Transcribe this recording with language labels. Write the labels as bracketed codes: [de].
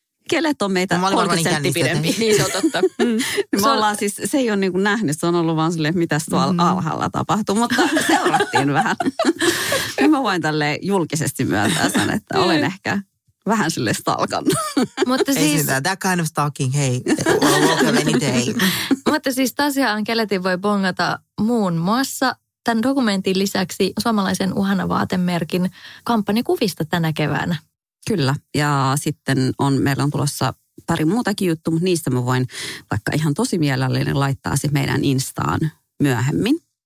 [fi] Kelet on meitä 30 senttiä pidempi. Niin se on totta. Mm. Me ollaan siis, se ei ole niin kuin nähnyt, se on ollut vaan silleen, että mitäs tuolla alhaalla tapahtuu, mutta seurattiin vähän. Mä voin tälleen julkisesti myöntää sen, että olen ehkä vähän sille stalkannut. Mutta siis [en] that kind of stalking, hey, welcome any day. [fi] Mutta siis tosiaan Keletin voi bongata muun muassa tämän dokumentin lisäksi suomalaisen uhana vaatemerkin kampanjakuvista tänä keväänä. Kyllä, ja sitten on, meillä on tulossa pari muutakin juttu, mutta niistä mä voin vaikka ihan tosi mielellinen laittaa se meidän Instaan myöhemmin.